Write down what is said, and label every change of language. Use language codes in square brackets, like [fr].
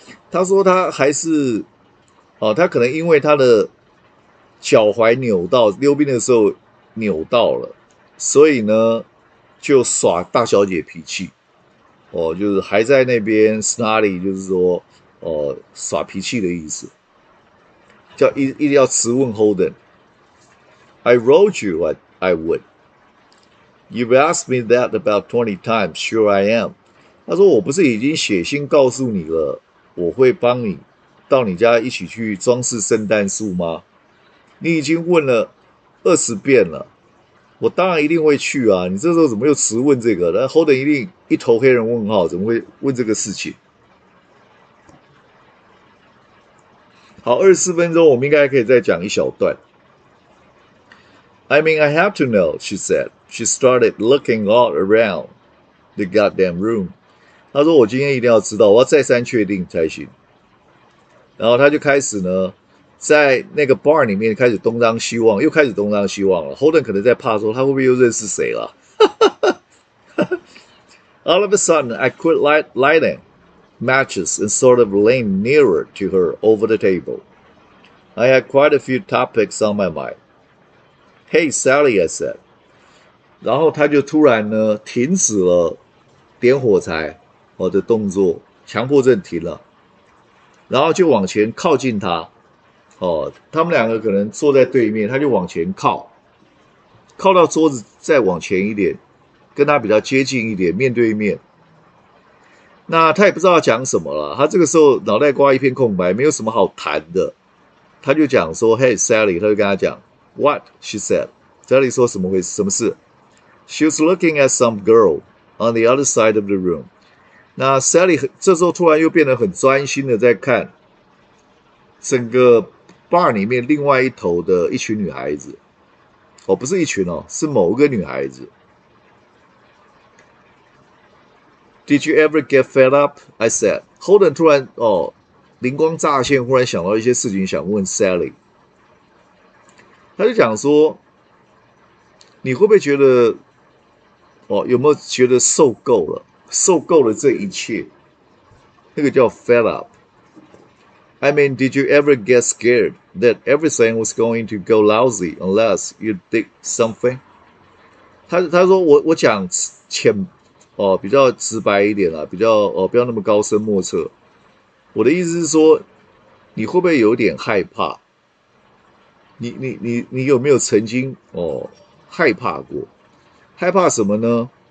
[zh] 他说他还是他可能因为他的脚踝扭到，溜冰的时候扭到了，所以呢就耍大小姐脾气就是还在那边 snotty， 就是说耍脾气的意思，叫一定要直问 Holden。 [en] I wrote you I would， You've asked me that about 20 times， Sure I am。 [zh] 他说我不是已经写信告诉你了，我会帮你到你家一起去装饰圣诞树吗？你已经问了20遍了，我当然一定会去啊，你这时候怎么又迟问这个？那 Holden 一定一头黑人问号，怎么会问这个事情？好，24分钟我们应该可以再讲一小段。 [en] I mean, I have to know, she said. She started looking all around the goddamn room. [zh] 她说我今天一定要知道，我要再三确定才行。然后她就开始呢，在那个 bar 里面开始东张西望，又开始东张西望了。 Holden 可能在怕说她会不会又认识谁了。 [en] All of a sudden, I quit lighting matches and sort of leaned nearer to her over the table. I had quite a few topics on my mind. Hey, Sally, I said. [zh] 然后她就突然呢停止了点火柴的动作，强迫症停了，然后就往前靠近她。哦，他们两个可能坐在对面，他就往前靠，靠到桌子再往前一点，跟他比较接近一点，面对面。那他也不知道要讲什么了，他这个时候脑袋瓜一片空白，没有什么好谈的。他就讲说 ： [en] “Hey Sally。” [zh] 他就跟他讲 ： [en] “What she said？” [zh] Sally 说什么回事？什么事 ？ [en] She was looking at some girl on the other side of the room。 [zh] 那 Sally 这时候突然又变得很专心的在看整个bar 里面另外一头的一群女孩子，哦，不是一群哦，是某个女孩子。 [en] Did you ever get fed up? I said. [zh] Holden 突然哦，灵光乍现，忽然想到一些事情，想问 Sally。他就讲说，你会不会觉得，哦，有没有觉得受够了？受够了这一切，那个叫 fed up。 [en] I mean, did you ever get scared that everything was going to go lousy unless you did something? [zh] 他说我讲浅哦，比较直白一点啦，比较哦，不要那么高深莫测。我的意思是说，你会不会有点害怕？你有没有曾经哦害怕过？害怕什么呢？